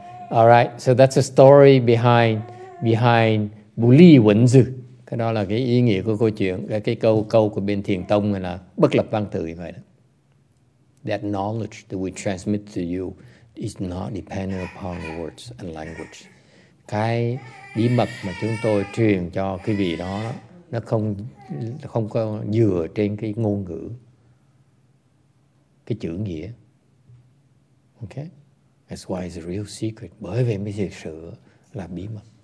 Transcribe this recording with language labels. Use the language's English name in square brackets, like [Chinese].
[English] Alright, so that's a story behind Bu Li Wen Zi. [Vietnamese] Cái đó là cái ý nghĩa của câu chuyện, cái câu của bên Thiền Tông là bất lập văn tự như vậy đó. [English] That knowledge that we transmit to you is not dependent upon words and language. [Vietnamese] Cái bí mật mà chúng tôi truyền cho quý vị đó, nó không có dựa trên cái ngôn ngữ, cái chữ nghĩa. Okay? [English] That's why it's a real secret. [Vietnamese] Bởi vì mới thực sự là bí mật.